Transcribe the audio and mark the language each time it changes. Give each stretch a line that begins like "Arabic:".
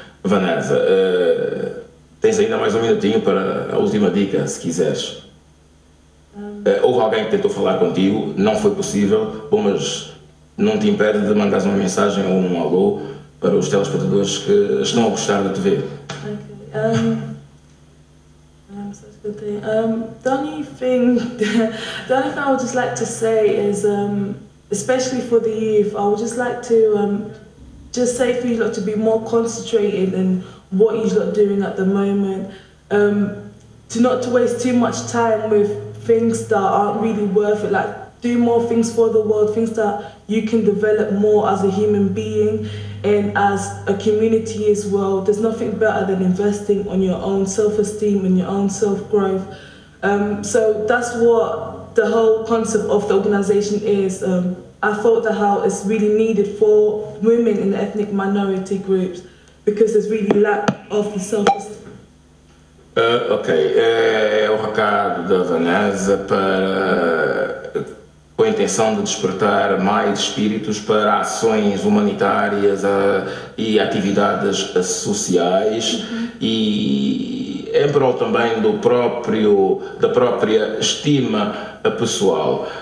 Portuguese: Vanessa, tens ainda mais um minutinho para a última dica, se quiseres. Houve alguém que tentou falar contigo, não foi possível, bom, mas não te impede de mandares uma mensagem ou um alô para os telespectadores que estão a gostar de te ver. Ok.
English: The only thing I would just like to say is, especially for the youth, I would just like to just say for you lot to be more concentrated in what you lot doing at the moment, to not to waste too much time with things that aren't really worth it, like do more things for the world, things that you can develop more as a human being and as a community as well. There's nothing better than investing on your own self-esteem and your own self-growth. So that's what the whole concept of the organization is. I thought that how it's really needed for women in ethnic minority groups because there's really lack of the self-esteem.
Portuguese: É o recado da Vanessa para, com a intenção de despertar mais espíritos para ações humanitárias e atividades sociais. Uhum. E em prol também da própria estima pessoal.